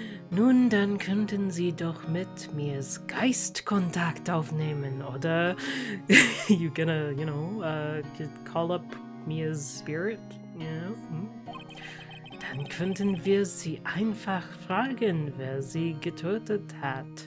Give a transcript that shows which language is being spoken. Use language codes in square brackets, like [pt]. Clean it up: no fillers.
[de] Nun, dann könnten Sie doch mit mir Geistkontakt aufnehmen, oder? [en] You're gonna, you know, call up Mia's spirit, you know? [de] Dann könnten wir sie einfach fragen, wer sie getötet hat.